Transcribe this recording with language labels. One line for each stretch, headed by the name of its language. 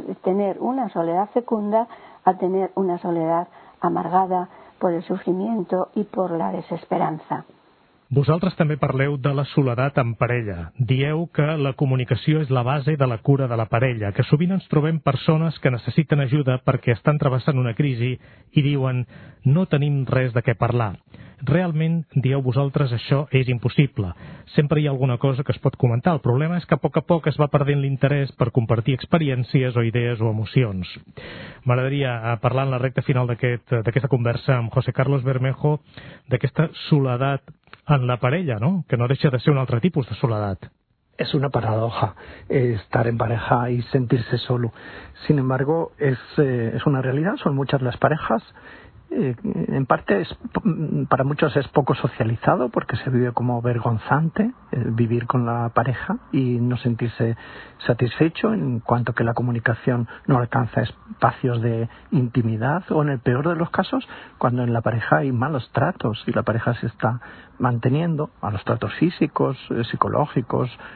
Spanish: De tener una soledad fecunda a tener una soledad amargada por el sufrimiento y por la desesperanza.
Catalan: Vosaltres també parleu de la soledat en parella. Dieu que la comunicació és la base de la cura de la parella, que sovint ens trobem persones que necessiten ajuda perquè estan travessant una crisi i diuen «no tenim res de què parlar». Realment, dieu vosaltres, això és impossible. Sempre hi ha alguna cosa que es pot comentar. El problema és que a poc es va perdent l'interès per compartir experiències o idees o emocions. M'agradaria parlar en la recta final d'aquesta conversa amb José Carlos Bermejo d'aquesta soledat en la parella, no? Que no deixa de ser un altre tipus de soledat.
Spanish: Es una paradoja estar en pareja y sentirse solo. Sin embargo, es una realidad, son muchas las parejas. En parte, para muchos es poco socializado porque se vive como vergonzante vivir con la pareja y no sentirse satisfecho en cuanto que la comunicación no alcanza espacios de intimidad o, en el peor de los casos, cuando en la pareja hay malos tratos y la pareja se está manteniendo a los tratos físicos, psicológicos,